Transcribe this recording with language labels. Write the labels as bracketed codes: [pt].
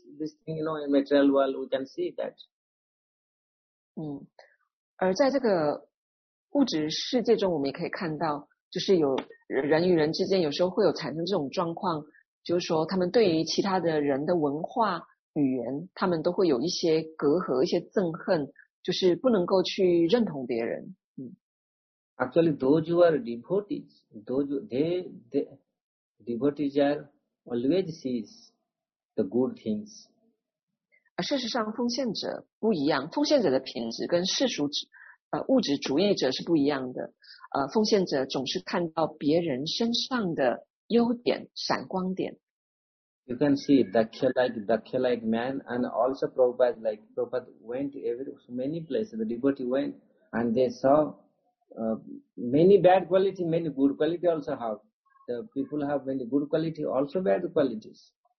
[en] This thing, you know, in material world, we can see that. [zh] 而在这个物质世界中，我们也可以看到。就是有人与人之间有时候会有产生这种状况，就是说他们对于其他的人的文化语言，他们都会有一些隔阂，一些憎恨，就是不能够去认同别人。 [en] Actually, those who are devotees, devotees are always sees the good things. [zh] 事实上，奉献者不一样，奉献者的品质跟世俗者。物质主义者是不一样的，奉献者总是看到别人身上的优点、闪光点。 [en] You can see Dakshya-like man, and also Prabhupada, like Prabhupada went to many places. The devotee went, and they saw many bad quality, many good quality also have. The people have many good quality, also bad qualities.